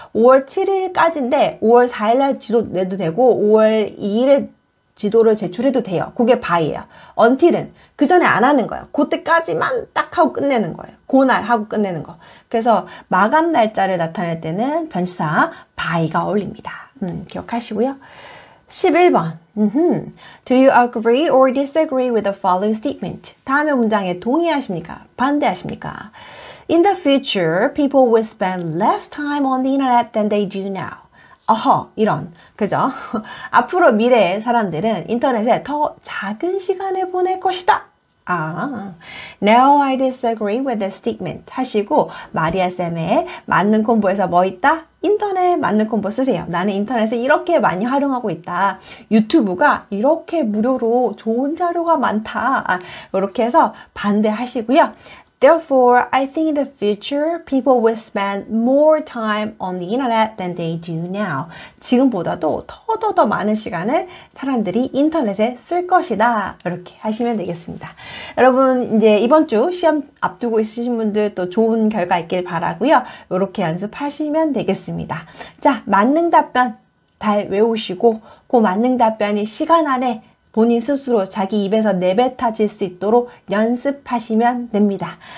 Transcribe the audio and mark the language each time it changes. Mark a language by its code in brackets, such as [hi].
[ko] 5월 7일까지인데 5월 4일날 지도 내도 되고 5월 2일에 지도를 제출해도 돼요. 그게 by예요. Until은 그 전에 안 하는 거예요. 그때까지만 딱 하고 끝내는 거예요. 그날 하고 끝내는 거. 그래서 마감 날짜를 나타낼 때는 전치사 by가 어울립니다. 기억하시고요. 11번. Mm-hmm. [en] Do you agree or disagree with the following statement? [ko] 다음의 문장에 동의하십니까? 반대하십니까? [en] In the future, people will spend less time on the internet than they do now. [ko] 어허, 이런. 그죠? 앞으로 미래의 사람들은 인터넷에 더 작은 시간을 보낼 것이다. 아, [en] Now I disagree with the statement [ko] 하시고 마리아쌤의 맞는 콤보에서 뭐 있다? 인터넷 맞는 콤보 쓰세요. 나는 인터넷을 이렇게 많이 활용하고 있다. 유튜브가 이렇게 무료로 좋은 자료가 많다. 이렇게 해서 반대하시고요. [en] Therefore, I think in the future, people will spend more time on the internet than they do now. [ko] 지금보다도 더더더 많은 시간을 사람들이 인터넷에 쓸 것이다. 이렇게 하시면 되겠습니다. 여러분, 이제 이번 주 시험 앞두고 있으신 분들 또 좋은 결과 있길 바라고요. 이렇게 연습하시면 되겠습니다. 자, 맞는 답변 잘 외우시고 그 맞는 답변이 시간 안에 본인 스스로 자기 입에서 내뱉어질 수 있도록 연습하시면 됩니다.